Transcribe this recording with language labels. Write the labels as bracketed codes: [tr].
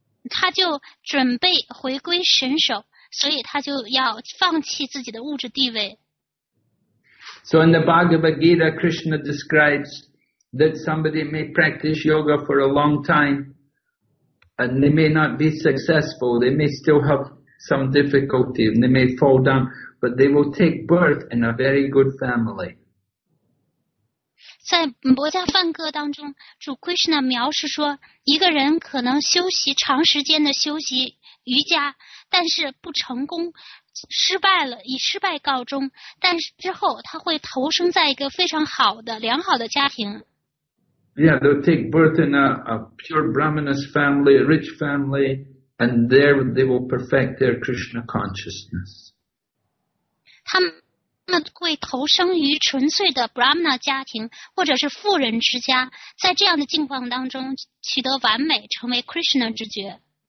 [zh] 他就准备回归神手，所以他就要放弃自己的物质地位。 [en] So in the Bhagavad Gita, Krishna describes that somebody may practice yoga for a long time, and they may not be successful. They may still have some difficulty, and they may fall down. But they will take birth in a very good family. [zh] 在《摩迦梵歌》当中，主 Krishna 描述说，一个人可能修习长时间的修习瑜伽，但是不成功，失败了，以失败告终。但是之后，他会投生在一个非常好的、良好的家庭。 [en] Yeah, they'll take birth in a pure Brahmanas family, a rich family, and there they will perfect their Krishna consciousness. [zh] 他们会投生于纯粹的 Brahmana 家庭或者是富人之家，在这样的境况当中取得完美，成为 Krishna 之觉。